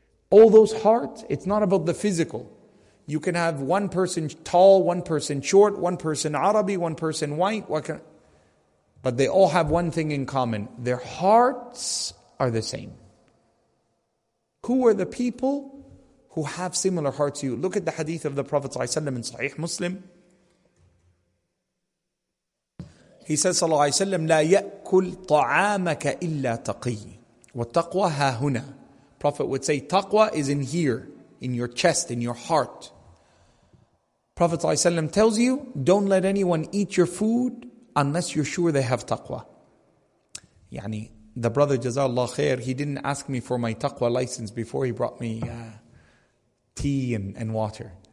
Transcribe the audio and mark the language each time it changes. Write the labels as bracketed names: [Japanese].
[English] All those hearts, it's not about the physical. You can have one person tall, one person short, one person Arabi, one person white. But they all have one thing in common. Their hearts are the same. Who are the people who have similar hearts to you? Look at the hadith of the Prophet ﷺ in Sahih Muslim. [Arabic] He says, صلى الله عليه وسلم, لا يأكل طعامك إلا تقي. والتقوى هاهنا. [English] Prophet would say, taqwa is in here, in your chest, in your heart. Prophet ﷺ tells you, don't let anyone eat your food unless you're sure they have taqwa. Yani, the brother, jazallah khair, he didn't ask me for my taqwa license before he brought me tea and water.